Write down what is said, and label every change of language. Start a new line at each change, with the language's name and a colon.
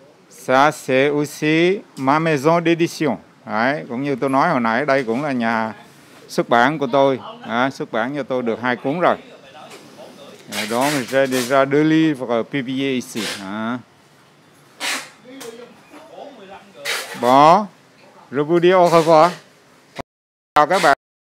French: Ça c'est aussi ma maison d'édition.
Vietnamese: Đấy, cũng như tôi nói hồi nãy, đây cũng là nhà xuất bản của tôi. À, xuất bản cho tôi được 2 cuốn rồi.
French: Donc j'ai déjà 2 livres publiés ici. À. Bon, je vous dis au revoir.
Vietnamese: Chào các bạn.